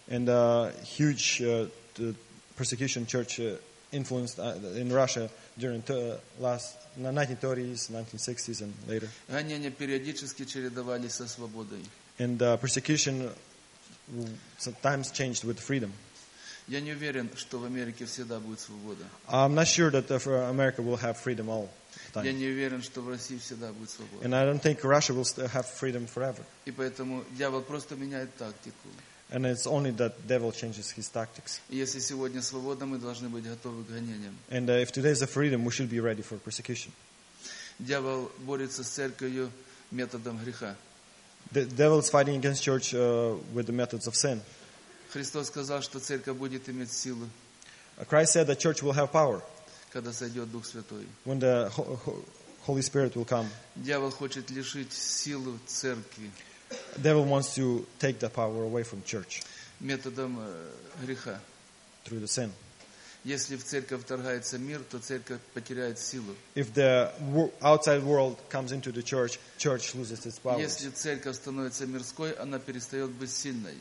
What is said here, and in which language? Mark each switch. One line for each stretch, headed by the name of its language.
English: And huge persecution church influenced in Russia during the last 1930s, 1960s and later.
Russian: Гонения периодически чередовались со свободой.
English: And persecution sometimes changed with freedom.
Russian: Я не уверен, что в Америке всегда будет свобода.
English: I'm not sure that America will have freedom all the time.
Russian: Я не уверен, что в России всегда будет свобода.
English: And I don't think Russia will have freedom forever.
Russian: И поэтому дьявол просто меняет тактику.
English: And it's only that devil changes his tactics.
Russian: Если сегодня свобода, мы должны быть готовы к гонениям.
English: And if today is a freedom, we should be ready for persecution.
Russian: Дьявол борется с церковью методом греха.
English: The devil is fighting against church with the methods of sin.
Russian: Христос сказал, что церковь будет иметь силу.
English: Christ said that church will have power.
Russian: Когда сойдет Дух Святой.
English: When the Holy Spirit will come.
Russian: Дьявол хочет лишить силу церкви.
English: Devil wants to take the power away from church.
Russian: Методом греха.
English: Through the sin.
Russian: Если в церковь вторгается мир, то церковь потеряет силу.
English: If the outside world comes into the church, church loses its power.
Russian: Если церковь становится мирской, она перестает быть сильной.